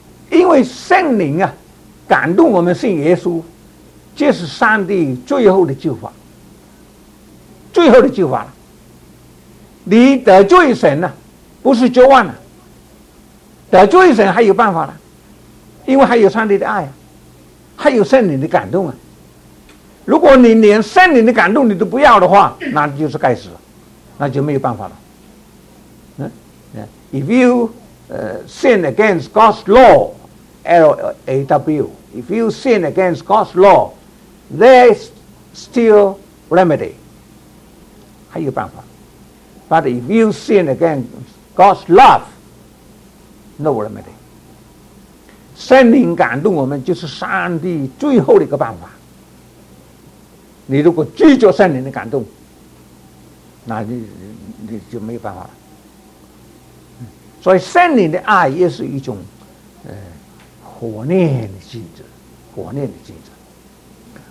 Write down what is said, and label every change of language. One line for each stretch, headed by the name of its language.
Chinese: 因为圣灵啊，感动我们信耶稣，这是上帝最后的救法，最后的救法了。你得罪神呢、啊，不是绝望了，得罪神还有办法了。因为还有上帝的爱，还有圣灵的感动啊！如果你连圣灵的感动你都不要的话，那就是该死了，那就没有办法了。
English: If you sin against God's law, L-A-W, if you sin against God's law, there is still remedy,
Chinese: 还有办法。
English: But if you sin against God's love, no remedy.
Chinese: 圣灵感动我们就是上帝最后的一个办法，你如果拒绝圣灵的感动，那你就没有办法了。所以圣灵的爱也是一种火炼的性质，火炼的性质。